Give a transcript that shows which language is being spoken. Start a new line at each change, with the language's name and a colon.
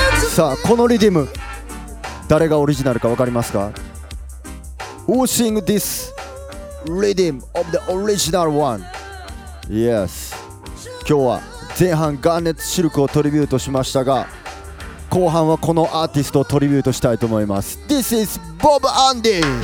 Japanese: さあ、このリディム誰がオリジナルか分かりますか？
English: Who sing this rhythm of the original one? Yes.
Japanese: 今日は前半ガーネットシルクをトリビュートしましたが、後半はこのアーティストをトリビュートしたいと思います。
English: This is Bob Andy.